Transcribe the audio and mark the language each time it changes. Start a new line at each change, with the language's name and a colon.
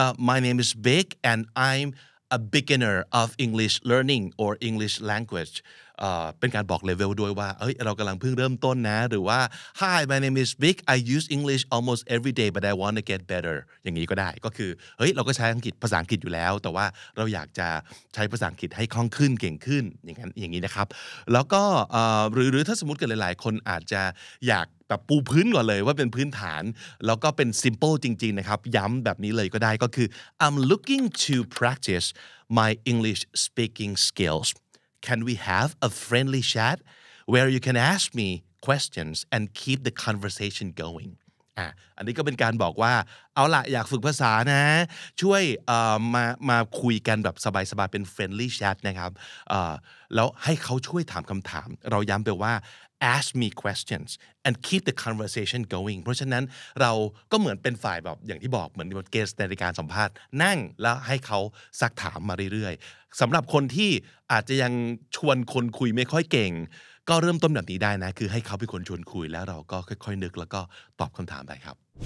English: my name is Vic and I'm a beginner of English learning or English language
Thai: เป็นการบอกเลเวลด้วยว่าเอ้ยเรากำลังเพิ่งเริ่มต้นนะหรือว่า
English: hi my name is Vic I use English almost every day but I want to get better
Thai: อย่างนี้ก็ได้ก็คือเฮ้ยเราก็ใช้อังกฤษภาษาอังกฤษอยู่แล้วแต่ว่าเราอยากจะใช้ภาษาอังกฤษให้คล่องขึ้นเก่งขึ้นอย่างนั้นอย่างนี้นะครับแล้วก็ หรือถ้าสมมติเกิดหลายๆคนอาจจะอยากแบบปูพื้นก่อนเลยว่าเป็นพื้นฐานแล้วก็เป็น simple จริงๆนะครับย้ำแบบนี้เลยก็ได้ก็คือ
English: I'm looking to practice my English speaking skills. Can we have a friendly chat where you can ask me questions and keep the conversation going?
Thai: อันนี้ก็เป็นการบอกว่าเอาล่ะอยากฝึกภาษานะช่วยมาคุยกันแบบสบายๆเป็น friendly chat นะครับแล้วให้เขาช่วยถามคำถามเราย้ำไปว่า
English: ask me questions and keep the conversation going
Thai: เพราะฉะนั้นเราก็เหมือนเป็นฝ่ายแบบอย่างที่บอกเหมือนเกสต์ในการสัมภาษณ์นั่งแล้วให้เขาซักถามมาเรื่อยๆสำหรับคนที่อาจจะยังชวนคนคุยไม่ค่อยเก่งก็เริ่มต้นแบบนี้ได้นะคือให้เขาเป็นคนชวนคุยแล้วเราก็ค่อยๆนึกแล้วก็ตอบคำถามไปครับ